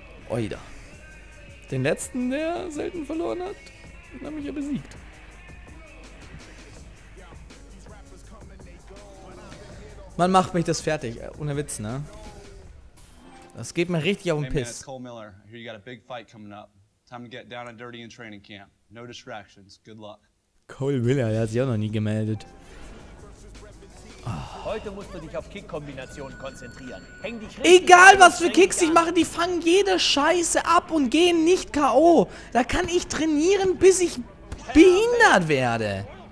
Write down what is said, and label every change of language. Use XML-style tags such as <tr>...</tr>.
<de>Oida. Den letzten, der selten verloren hat, den habe ich ja besiegt. Man macht mich das fertig, ohne Witz, ne? Das geht mir richtig auf den Piss.</de> <en>Hey man,</en> <de>Cole Miller.</de> <en>I hear you got a big fight coming up. Time to get down and dirty in training camp. No distractions. Good luck.</en> <de>Cole Miller, der hat sich auch noch nie gemeldet. Heute musst du dich auf Kick-Kombinationen konzentrieren. Häng dich richtig. Egal was für Kicks ich mache, die fangen jede Scheiße ab und gehen nicht K.O. Da kann ich trainieren, bis ich behindert werde.</de>